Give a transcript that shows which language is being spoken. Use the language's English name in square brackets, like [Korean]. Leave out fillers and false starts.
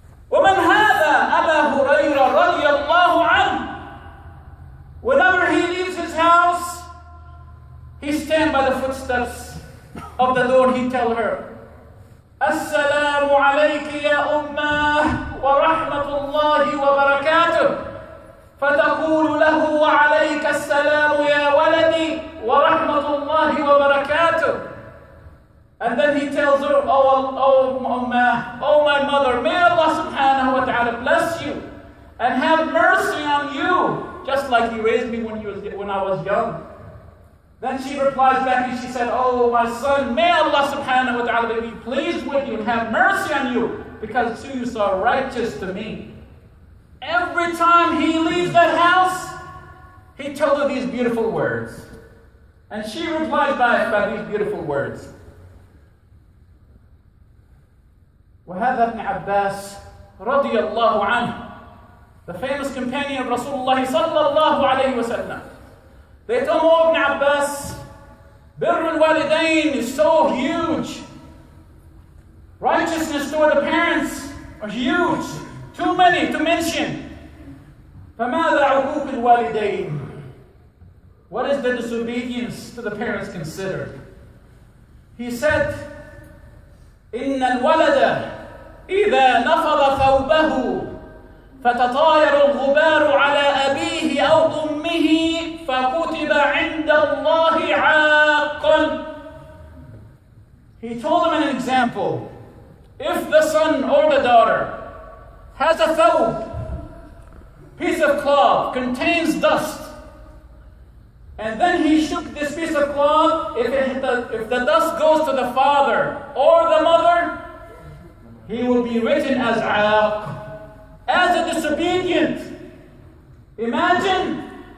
[Arabic] ومن هذا أبا هريرة رضي الله عنه. [English] Whenever he leaves his house, he stands by the footsteps of the door. He tell her, [Arabic] السلام عليك يا أمة ورحمة الله وبركاته. فتقول له وعليك السلام يا ولدي ورحمة الله وبركاته. [English] And then he tells her, oh my mother, may Allah subhanahu wa ta'ala bless you and have mercy on you, just like he raised me when I was young. Then she replies back and she said, oh my son, may Allah subhanahu wa ta'ala be pleased with you and have mercy on you, because too you are righteous to me. Every time he leaves that house, he told her these beautiful words. And she replies by these beautiful words. [Arabic] وهذا ابن عباس رضي الله عنه, [English] the famous companion of Rasulullah [Arabic] صلى الله عليه وسلم. [English] They told him, ابن عباس, [Arabic] بر الوالدين [English] is so huge. Righteousness toward the parents are huge. Too many to mention. [Arabic] فماذا عقوق الوالدين? [English] What is the disobedience to the parents considered? He said, [Arabic] إن الولد إذا نفض ثوبه فتطاير الغبار على أبيه أو أمه فكتب عند الله عاقا. [English] He told them an example. If the son or the daughter has a thawb, piece of cloth, contains dust, And then he shook this piece of cloth. If the dust goes to the father or the mother, he will be written as عاق, as a disobedient. Imagine.